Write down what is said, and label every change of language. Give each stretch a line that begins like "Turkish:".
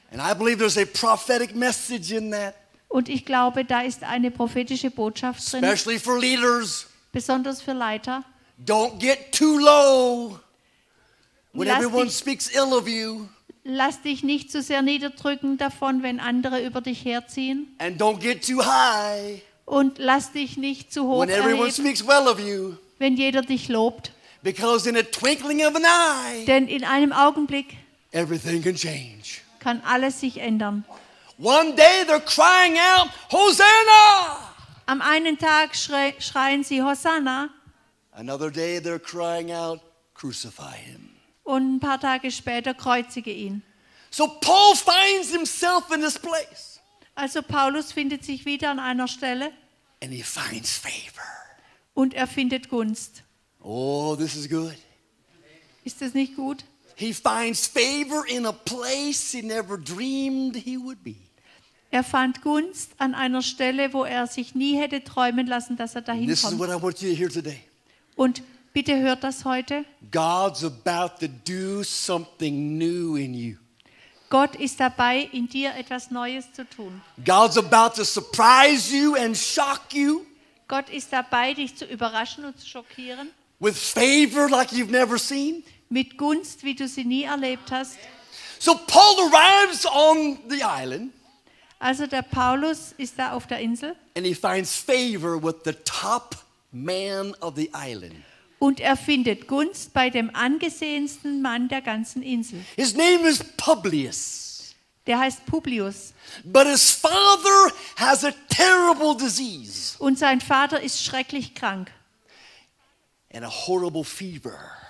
English: And I believe there's a prophetic message in that.
German: Und ich glaube, da ist eine prophetische Botschaft drin.
English: Especially for leaders.
German: Besonders für Leiter.
English: Don't get too low when everyone speaks ill of you.
German: Lass dich nicht zu sehr niederdrücken davon, wenn andere über dich herziehen.
English: And don't get too high.
German: Und lass dich nicht zu hoch erheben.
English: When everyone speaks well of you.
German: Wenn jeder dich lobt.
English: Because in a twinkling of an eye.
German: Denn in einem Augenblick.
English: Everything can change.
German: Kann alles sich ändern.
English: One day they're crying out, Hosanna!
German: Am einen Tag schreien sie Hosanna.
English: Another day they're crying out, crucify him.
German: Und ein paar Tage später kreuzige ihn.
English: So Paul finds himself in this place.
German: Also Paulus findet sich wieder an einer Stelle.
English: And he finds favor.
German: Und er findet Gunst.
English: Oh, this is good.
German: Ist das nicht gut?
English: He finds favor in a place he never dreamed he would be.
German: Er fand Gunst an einer Stelle, wo er sich nie hätte träumen lassen, dass er dahin kommt.
English: This is what I want you to hear today.
German: Und bitte hört das heute.
English: God's about to do something new in you.
German: Gott ist dabei, in dir etwas Neues zu tun.
English: God's about to surprise you and shock you.
German: Gott ist dabei, dich zu überraschen und zu schockieren.
English: With favor like you've never seen.
German: Mit Gunst, wie du sie nie erlebt hast.
English: So Paul arrives on the island.
German: Also der Paulus ist da auf der Insel.
English: And he finds favor with the top man of the island.
German: Und er findet Gunst bei dem angesehensten Mann der ganzen Insel.
English: His name is Publius.
German: Der heißt Publius.
English: But his father has a terrible disease.
German: Und sein Vater ist schrecklich krank.
English: And a horrible fever.